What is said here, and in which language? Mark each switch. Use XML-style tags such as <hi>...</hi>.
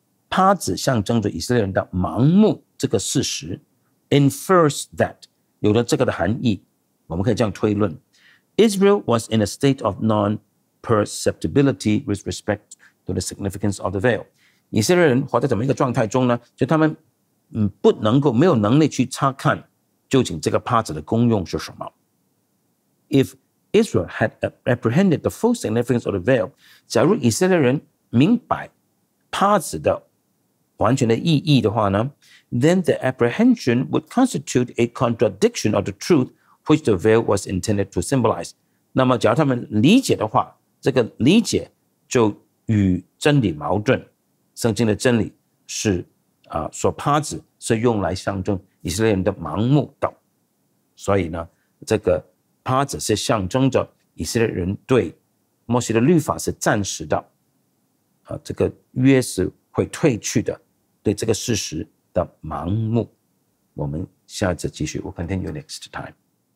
<zh>帕子象征着以色列人的盲目这个事实，</zh> <en>infers that,</en> <zh>有了这个的含义，我们可以这样推论，</zh> <en>Israel was in a state of non-perceptibility with respect to the significance of the veil.</en> <zh>以色列人活在怎么一个状态中呢？就他们不能够，没有能力去察看究竟这个帕子的功用是什么。</zh> <en>If Israel had apprehended the full significance of the veil,</en> <zh>假如以色列人明白帕子的完全的意义的话呢，</zh> <en>then the apprehension would constitute a contradiction of the truth which the veil was intended to symbolize.</en> <zh>那么假如他们理解的话，这个理解就与真理矛盾，圣经的真理是说帕子是用来象征以色列人的盲目的，所以呢，这个帕子是象征着以色列人对摩西的律法是暂时的，这个约是会褪去的，对这个事实的盲目。我们下次继续。</zh> <en>We'll continue next time.</en>